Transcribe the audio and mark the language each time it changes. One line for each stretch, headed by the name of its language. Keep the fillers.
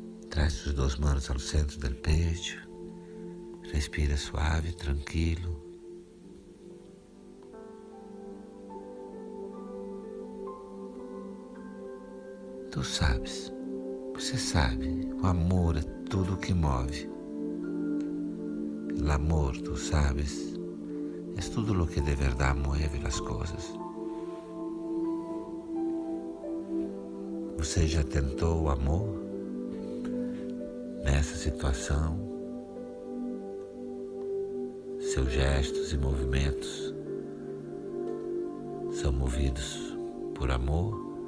Portuguese: Traz suas duas mãos ao centro do peito, respira suave, tranquilo. Tu sabes, você sabe, o amor é tudo o que move.
Spanish: El amor, tú sabes, es todo lo que de verdad mueve las cosas.
Portuguese: Você já tentou o amor nessa situação? Seus gestos e movimentos são movidos por amor?